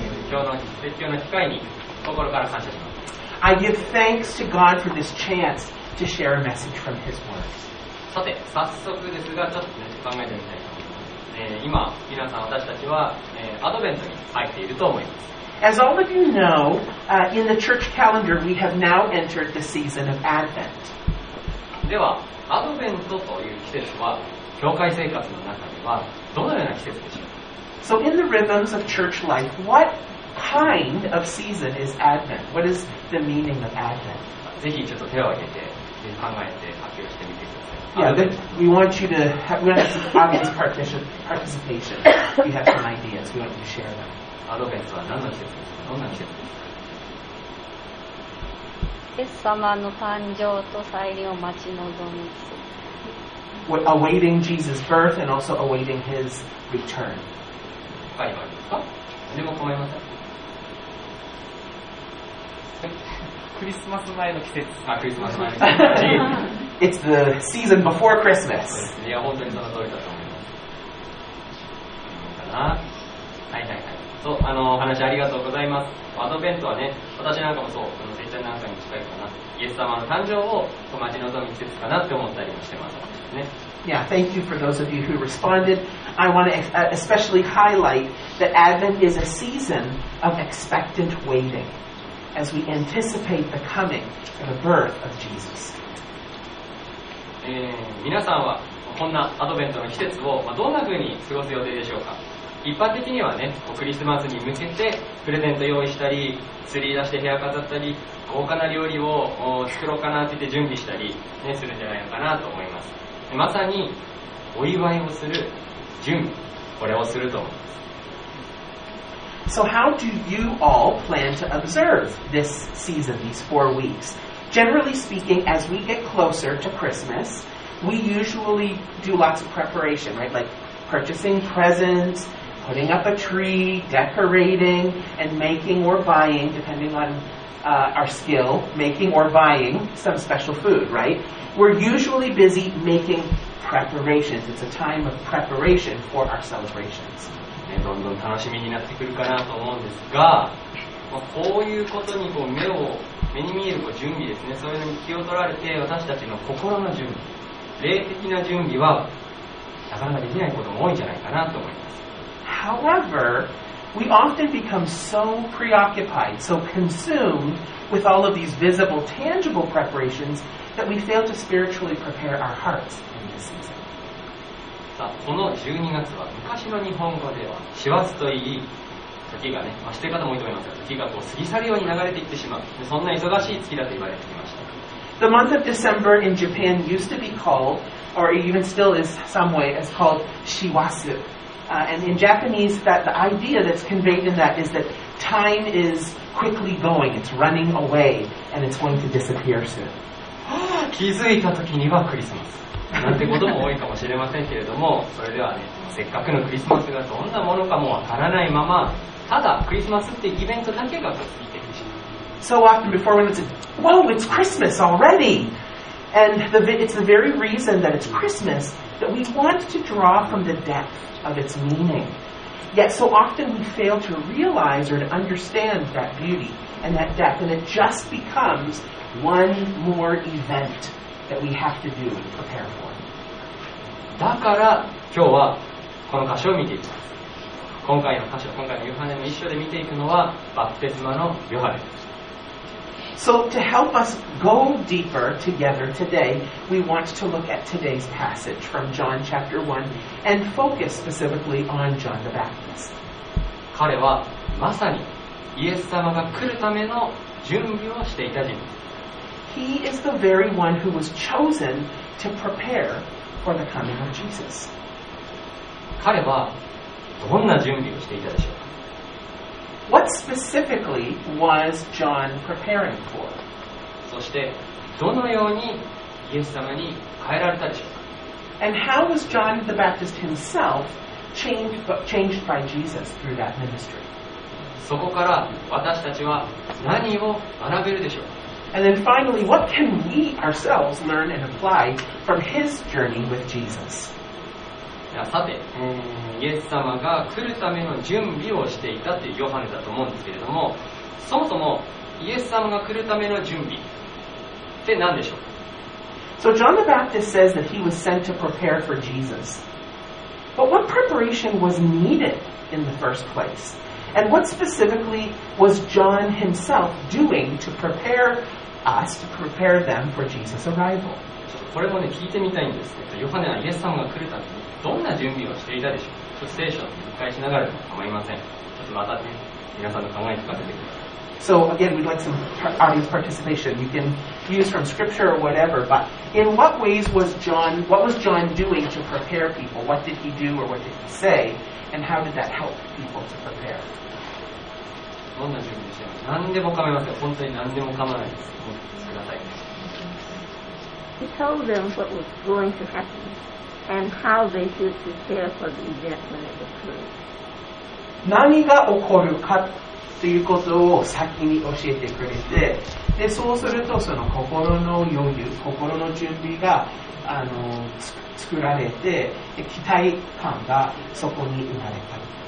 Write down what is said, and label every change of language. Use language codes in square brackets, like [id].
[ja] 今日の絶叫の機会に心から感謝します。 [en] I give thanks to God for this chance to share a message from His Word。 [ja] さて早速ですがちょっと、ね、考えてみたいと思います。今皆さん私たちは、アドベントに入っていると思います。 [en] As all of you know, in the church calendar, we have now entered the season of Advent. [ja] では、アドベントという季節は、教会生活の中ではどのような季節でしょうか? [en] So in the rhythms of church life, what kind of season is Advent? What is the meaning of Advent? [ja] ぜひちょっと手を挙げて、考えて発表してみてください。 [en] Yeah, we want you to have, we want to have some participation. We have some ideas. We want you to share them. [ja] アドベントは何の季節ですか？どんな季節ですか？イエス様の誕生と再臨を待ち望む季節。 [en] We're awaiting Jesus' birth and also awaiting his return. [ja] はい、ありますか？何も構いません。クリスマス前の季節。あ、クリスマス前の季節。 [en] It's the season before Christmas. [ja] いや、本当にその通りだと思います。いいかな？はいはいはい。そう、話ありがとうございます。アドベントはね、私なんかもそう、このせっちゃんなんかに近いかな。イエス様の誕生を待ち望む季節かなって思ったりもしてますね。 [en] Yeah, thank you for those of you who responded. I want to especially highlight that Advent is a season of expectant waiting as we anticipate the coming and the birth of Jesus. [ja] 皆さんは、こんなアドベントの季節を、どんな風に過ごす予定でしょうか。一般的にはね、クリスマスに向けてプレゼント用意したり、ツリー出して部屋飾ったり、豪華な料理を作ろうかなって言って準備したり、ね、するんじゃないのかなと思います。まさにお祝いをする準備、これをすると思います。 [en] So how do you all plan to observe this season, these 4 weeks? Generally speaking, as we get closer to Christmas, we usually do lots of preparation, right? Like purchasing presents,putting up a tree, decorating, and making or buying, depending on our skill, making or buying some special food, right? We're usually busy making preparations. It's a time of preparation for our celebrations. [ja] どんどん楽しみになってくるかなと思うんですが、こういうことに目に見える準備ですね、そういうのに気を取られて、私たちの心の準備、霊的な準備は、なかなかできないことも多いんじゃないかなと思います。 [en] However, we often become so preoccupied, so consumed with all of these visible, tangible preparations that we fail to spiritually prepare our hearts in this season. [ja] さあ、この12月は昔の日本語では師走といい時がね、知ってる方も多いと思いますが、時がこう過ぎ去るように流れていってしまう、そんな忙しい月だと言われてきました。 [en] The month of December in Japan used to be called, or even still is some way, is called Shiwasu. And in Japanese, that the idea that's conveyed in that is that time is quickly going, it's running away, and it's going to disappear soon. [ja] 気づいた時にはクリスマス。なんてことも多いかもしれませんけれども、それではね、せっかくのクリスマスがどんなものかもわからないまま、ただクリスマスってイベントだけが過ぎてしまう。 [en] So often before when it's, whoa, it's Christmas already! And it's the very reason that it's Christmas that we want to draw from the depth. Of its meaning. Yet so often we fail to realize or to understand that beauty and that depth, and it just becomes one more event that we have to do and prepare for. [ja] だから今日はこの箇所を見ていきます。今回の箇所、今回のヨハネの一章で見ていくのはバプテスマのヨハネです。 [en] So to help us go deeper together today, we want to look at today's passage from John chapter 1 and focus specifically on John the Baptist. [ja] 彼はまさにイエス様が来るための準備をしていた人物。 [en] He is the very one who was chosen to prepare for the coming of Jesus. [ja] 彼はどんな準備をしていたでしょうか? [en] What specifically was John preparing for? [ja] そしてどのようにイエス様に変えられたでしょうか? [en] And how was John the Baptist himself changed by Jesus through that ministry? [ja] そこから私たちは何を学べるでしょうか? [en] And then finally, what can we ourselves learn and apply from his journey with Jesus? [ja] ゃあさて、イエス様が来るための準備をしていたというヨハネだと思うんですけれども、そもそもイエス様が来るための準備って何でしょう。 [en] So John the Baptist says that he was sent to prepare for Jesus. But what preparation was needed in the first place? And what specifically was John himself doing to prepare us, to prepare them for Jesus' arrival? [ja] これもね、聞いてみたいんですけど、ヨハネはイエス様が来るためにどんな準備をしていたでしょう。ちょっと聖書を繰り返しながらでも構いません。ちょっとまたね、皆さんの考え聞かせてください。 [en] So again, we'd like some audience participation. You can use from scripture or whatever, but in what ways was John, what was John doing to prepare people? What did he do or what did he say? And how did that help people to prepare? [ja] どんな準備でしょう。何でも構いません。本当に何でも構わないです。お聞きください。 [en] He told them what was going to happen and how they should prepare for the event when it occurred. [ja] 何が起こるかということを先に教えてくれて、でそうするとその心の余裕、心の準備が作られて、で期待感がそこに生まれた。